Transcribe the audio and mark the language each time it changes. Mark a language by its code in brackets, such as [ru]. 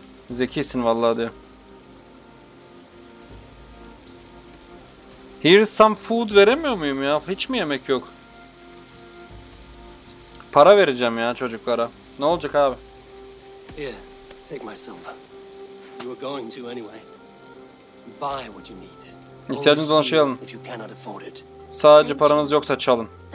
[tr] Zekisin vallahi diyor. [en] Here's some food [tr] veremiyor muyum ya? Hiç mi yemek yok? Para vereceğim ya çocuklara. Ne olacak abi? [en] Here, take my silver. You were going to anyway. buy what you need. [tr] İhtiyacınız olan şeyi alın. Sadece paranız yoksa çalın.